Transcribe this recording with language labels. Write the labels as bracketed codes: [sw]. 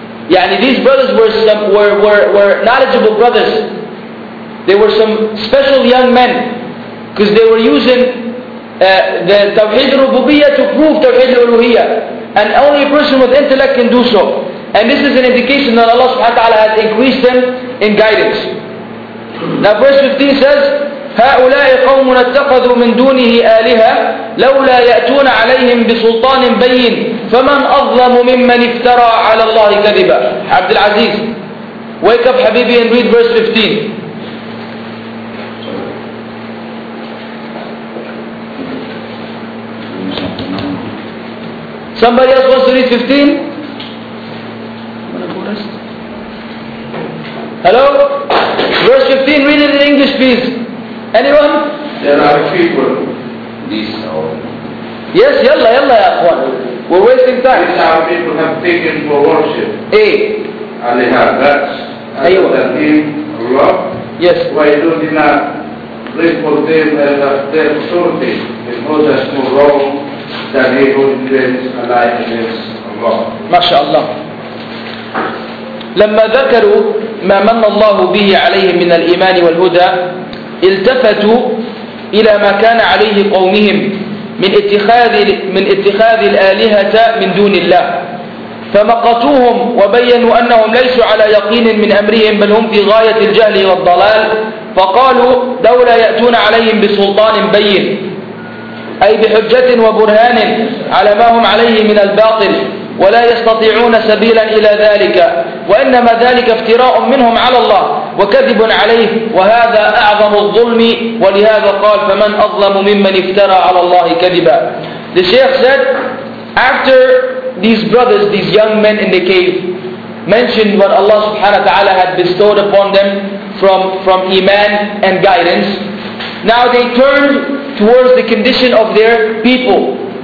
[en] Yeah, and these brothers were knowledgeable brothers. They were some special young men. Because they were using the Tawheed al-Rububiyyah to prove Tawheed al-Uluhiyyah. And only a person with intellect can do so. And this is an indication that Allah subhanahu wa ta'ala has increased them in guidance. Now verse 15 says, [ar] هَؤُلَاءِ قَوْمٌ اتَّخَذُوا مِن دُونِهِ آلِهَةً لَوْلَا يَأْتُونَ عَلَيْهِمْ بِسُلْطَانٍ بَيِّنٍ فَمَنْ أَظْلَمُ مِمَّنْ افْتَرَى عَلَى اللَّهِ كَذِبًا. [en] عبد العزيز, wake up Habibi and read verse 15. Somebody else wants to read 15? Hello? Verse 15, read it in English please. Anyone? There are people, these are. Yes, yalla, yalla, ya akhwan. We're wasting time. These are people have taken for worship. A. Aliha, that's other than Allah. Yes. Why do they not pray for them as a their authority? Because that's more wrong than he who invents a life against Allah. MashaAllah. [ar] لما ذكروا ما من الله به عليهم من الإيمان والهدى التفتوا إلى ما كان عليه قومهم من اتخاذ الآلهة من دون الله فمقتوهم وبينوا أنهم ليسوا على يقين من أمرهم بل هم في غاية الجهل والضلال فقالوا لولا يأتون عليهم بسلطان بين أي بحجة وبرهان على ما هم عليه من الباطل ولا يستطيعون سبيلا إلى ذلك وإنما ذلك افتراء منهم على الله وكذب عليه وهذا أعظم الظلم ولهذا قال فمن أظلم ممن افترى على الله كذبا. [en] The Shaykh said, after these brothers, these young men in the cave, mentioned what Allah subhanahu wa ta'ala had bestowed upon them from Iman and guidance, now they turned towards the condition of their people.